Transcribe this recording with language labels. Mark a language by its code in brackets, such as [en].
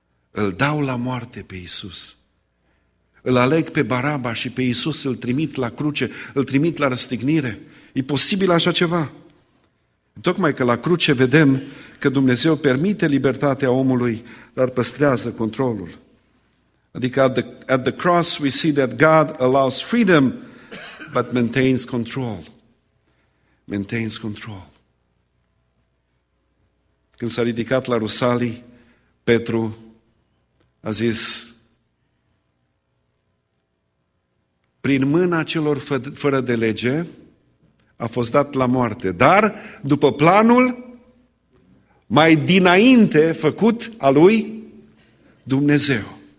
[ro] Îl dau la moarte pe Iisus. Îl aleg pe Baraba și pe Iisus îl trimit la cruce, îl trimit la răstignire. E posibil așa ceva? Tocmai că la cruce vedem că Dumnezeu permite libertatea omului, dar păstrează controlul. Adică [en] at the cross we see that God allows freedom, but maintains control. Maintains control. [ro] Când s-a ridicat la Rusalii, Petru a zis, prin mâna celor fără de lege a fost dat la moarte, dar după planul mai dinainte făcut al lui Dumnezeu.